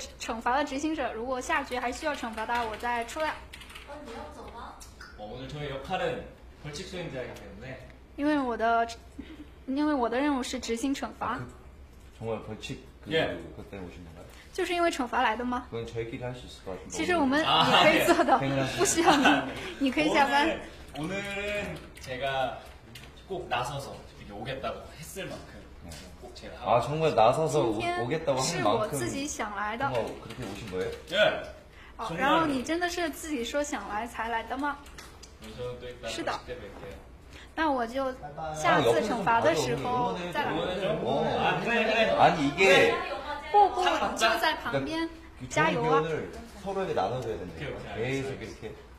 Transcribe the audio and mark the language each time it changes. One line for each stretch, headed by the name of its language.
Chinese: 惩罚了执行者，如果下局还需要惩罚他，我再出来。你要走吗？
Korean: 我오늘저의역할은벌칙수행자이기때문에
Chinese: 因为我的任务是执行惩罚。
Korean: 정말벌칙그것때문에오신건가요
Chinese: 就是因为惩罚来的吗？
Korean: 그건저희끼리할수있을것같은데
Chinese: 其实我们也可以做的，不需要你，你可以下班。
Korean: 오늘은제가꼭나서서이렇게오겠다고했을만큼 아정말나서서 오겠다고한만큼
Chinese: 今天是我自己想来的。
Korean: 정말그렇게오신거예요 예、yeah.
Chinese: 어、然后你真的是自己说想来才来的吗？是的。那我就下次惩罚的时候再来。
Korean: 어아 네네 아니이게
Chinese: 不不就在旁边加油啊！
Korean: 서로에게나눠줘야되는데계속이렇게